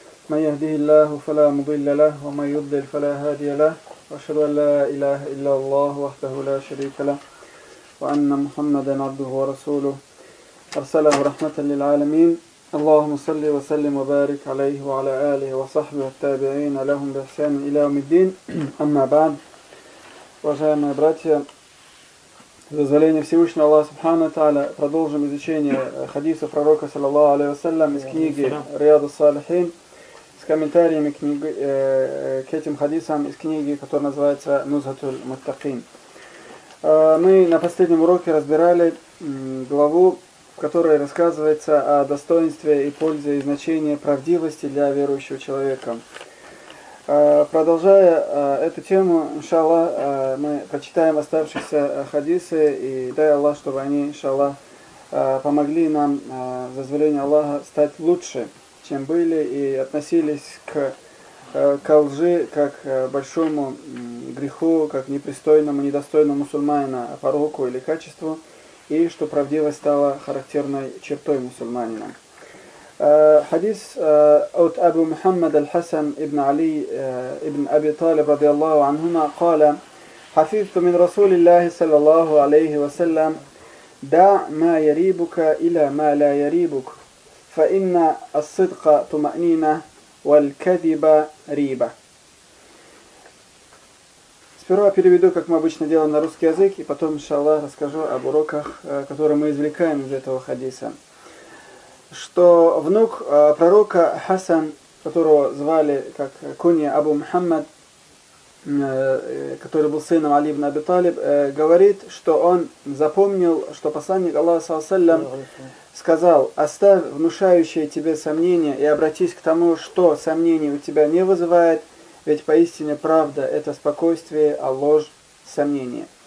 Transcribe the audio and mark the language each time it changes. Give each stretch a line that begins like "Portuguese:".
Arabic: من يهده الله فلا مضل له ومن يضلل فلا هادي له. وأشهد أن لا إله إلا الله وحده لا شريك له وأن محمدا عبده ورسوله أرسله رحمة للعالمين. اللهم صل وسلم وبارك عليه وعلى آله وصحبه التابعين لهم بإحسان إلى يوم الدين. أما بعد,
Russian: уважаемые братья, дозволение Всевышнего Аллаха Субхана Тааля, продолжим изучение хадиса пророка саллаллаху алейхи ва саллям из книги Риаду Салихин с комментариями к этим хадисам из книги, которая называется Нузхатул Муттакин. Мы на последнем уроке разбирали главу, в которой рассказывается о достоинстве и пользе и значении правдивости для верующего человека. Продолжая эту тему, иншаллах, мы прочитаем оставшиеся хадисы, и дай Аллах, чтобы они, иншаллах, помогли нам, зазволение Аллаха, стать лучше, чем были, и относились к лжи как к большому греху, как непристойному, недостойному мусульманина, пороку или качеству, и что правдивость стала характерной чертой мусульманина. Хадис от Абу Мухаммад аль-Хасан ибн Али ибн Аби Талиб
Arabic: رضي الله عنهما قال: حفظت من رسول الله صلى الله عليه وسلم: دع ما يريبك إلى ما لا يريبك فإن الصدق طمأنينة والكذب ريبة.
Russian: Сперва переведу, как мы обычно делаем, на русский язык, и потом, иншаллах, расскажу об уроках, которые мы извлекаем из этого хадиса. Что внук пророка Хасан, которого звали как кунья Абу Мухаммад, который был сыном Али ибн Аби Талиб, говорит, что он запомнил, что посланник Аллаха, саллаллаху алейхи ва саллям, сказал: «Оставь внушающие тебе сомнения и обратись к тому, что сомнений у тебя не вызывает, ведь поистине правда – это спокойствие, а ложь – сомнение».